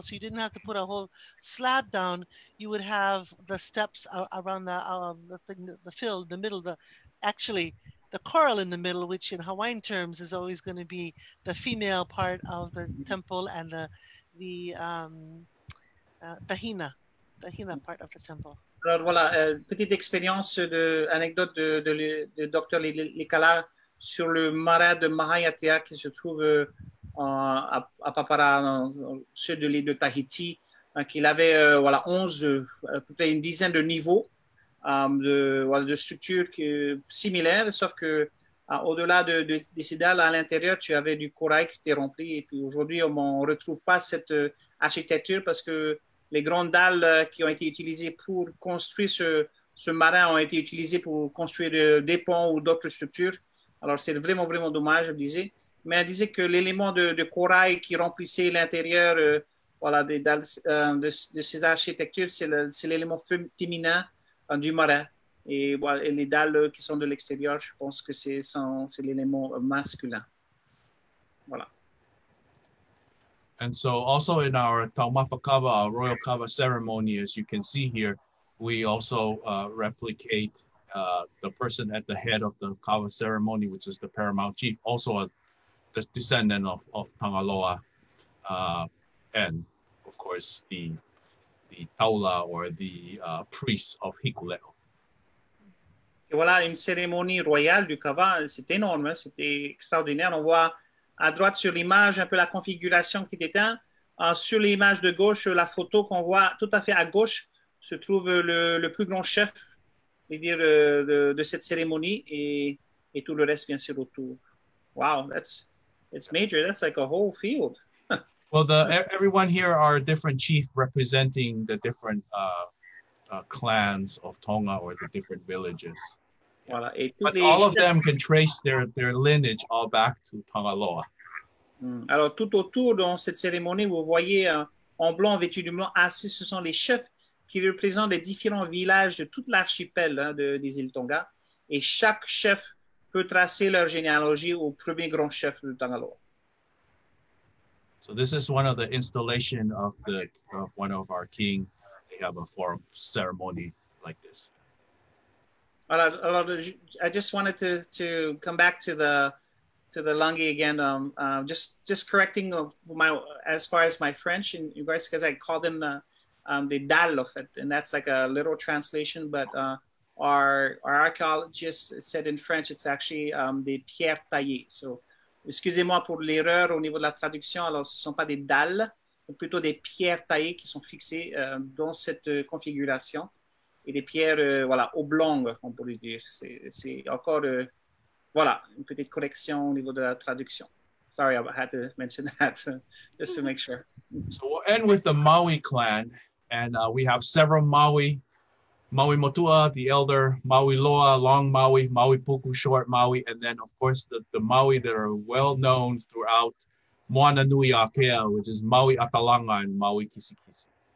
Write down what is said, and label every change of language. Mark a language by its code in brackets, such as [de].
[en] So you didn't have to put a whole slab down. You would have the steps around the thing, the fill, the middle, the coral in the middle, which in Hawaiian terms is always going to be the female part of the temple and the hina part of the temple. [fr] Alors voilà, petite expérience anecdote de Dr. Lilikalā sur le marais de Mahayatea qui se trouve à Papara, au sud de l'île de Tahiti. qu'il avait voilà 11 à peu près une dizaine de niveaux de structures similaires, sauf que au-delà de ces dalles, à l'intérieur, tu avais du corail qui était rempli. Et puis aujourd'hui, on ne retrouve pas cette architecture parce que les grandes dalles qui ont été utilisées pour construire ce marin ont été utilisées pour construire des ponts ou d'autres structures. Alors, c'est vraiment, vraiment dommage, je disais. Mais elle disait que l'élément de corail qui remplissait l'intérieur de ces architectures, c'est l'élément féminin du marin. Et voilà, les dalles qui sont de l'extérieur, je pense que c'est l'élément masculin. Voilà. [en] And so also in our Taumafakava, our Royal Kava ceremony, as you can see here, we also replicate the person at the head of the Kava ceremony, which is the Paramount Chief, also the descendant of Tangaloa. And of course, the taula or the priests of Hikuleʻo. [fr] Et voilà, une cérémonie royale du Kava, c'est énorme, hein? C'était extraordinaire. On voit à droite sur l'image un peu la configuration qui était. Sur l'image de gauche, la photo qu'on voit tout à fait à gauche, se trouve le plus grand chef, dire, de cette cérémonie et tout le reste, bien sûr, autour. [en] Wow, that's major, that's like a whole field. Well, everyone here are different chiefs representing the different clans of Tonga or the different villages. [fr] Voilà, [en] but all of them can trace their lineage all back to Tangaloa. [fr] Alors, tout autour dans cette cérémonie, vous voyez en blanc, vêtu de blanc, assis, ce sont les chefs qui représentent les différents villages de toute l'archipel des îles Tonga. Et chaque chef peut tracer leur généalogie au premier grand chef de Tangaloa. [en] So this is one of the installation of one of our kings. Have a forum ceremony like this. I just wanted to come back to the langi again. Just correcting as far as my French in regards, because I call them the dalle of it, and that's like a literal translation. But our archaeologist said in French it's actually [fr] des pierres taillées. So excusez-moi pour l'erreur au niveau de la traduction. Alors ce sont pas des dalles. Plutôt des pierres taillées qui sont fixées dans cette configuration et des pierres oblongues, on pourrait dire. C'est encore une petite correction au niveau de la traduction. [en] Sorry, I had to mention that just to make sure. So we'll end with the Maui clan, and we have several Maui Motua, the elder, Maui Loa, long Maui, Maui Puku, short Maui, and then of course the Maui that are well known throughout Mānoa, which is Maui Atalanga and Maui Kisikisi.